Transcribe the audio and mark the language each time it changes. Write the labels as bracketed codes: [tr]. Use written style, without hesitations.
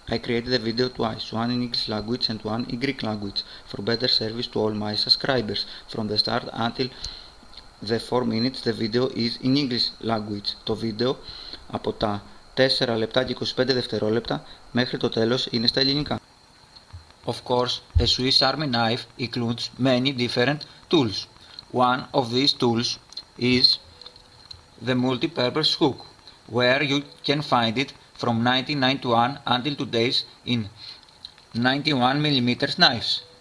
[en] I created the video twice, one in English language and one in Greek language, for better service to all my subscribers. From the start until the 4 minutes, the video is in English language. [el] Το βίντεο από τα 4 λεπτά και 25 δευτερόλεπτα μέχρι το τέλος είναι στα ελληνικά. [en] Of course, a Swiss Army knife includes many different tools. One of these tools is the multi-purpose hook, where you can find it from 1991 until today's in 91mm knives.